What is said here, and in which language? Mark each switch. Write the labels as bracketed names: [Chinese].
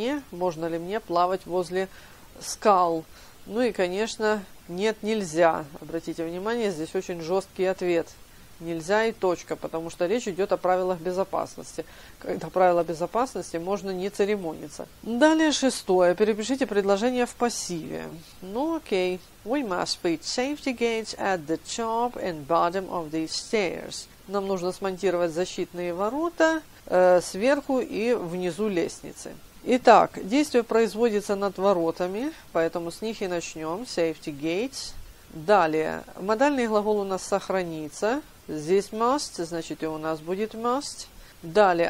[Russian] Можно ли мне плавать возле скал? Ну и, конечно, нет, нельзя. Обратите внимание, здесь очень жесткий ответ. Нельзя и точка, потому что речь идет о правилах безопасности. Когда правила безопасности, можно не церемониться. Далее шестое. Перепишите предложение в пассиве. Ну окей. [English] We must put safety gates at the top and bottom of the stairs. [Russian] Нам нужно смонтировать защитные ворота сверху и внизу лестницы. Итак, действие производится над воротами, поэтому с них и начнем. [English] Safety gates. [Russian] Далее. Модальный глагол у нас сохранится. Здесь must, значит, и у нас будет must. Далее.